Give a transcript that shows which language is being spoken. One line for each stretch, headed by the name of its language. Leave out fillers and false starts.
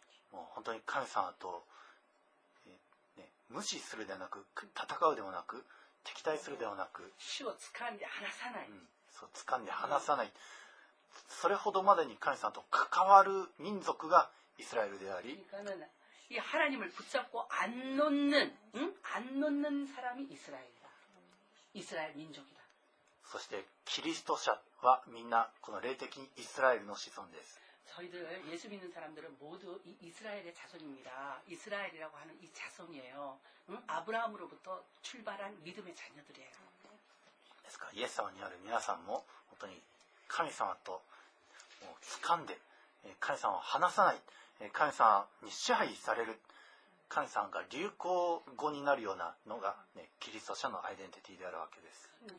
Japanese: 뭐本当に神様と無視するではなく戦うではなく敵対するではなく死を掴んで離さない。そう掴んで離さない。それほどまでに神様と関わる民族がイスラエルであり。
Korean: 이하나님을붙잡고안놓는응안놓는사람이이스라엘이다이스라엘민족이다
Japanese: そしてキリスト者はみんなこの霊的にイスラエルの子孫です。
Korean: 저희들예수믿는사람들은모두이이스라엘의자손입니다。 이스라엘이라고하는이자손이에요。 응아브라함으로부터출발한믿음의자녀들이에요。
Japanese: ですからイエス様にある皆さんも本当に神様と掴んで神様を離さない神様に支配される神様が流行語になるようなのが、ね、キリスト者のアイデンティティであるわけです。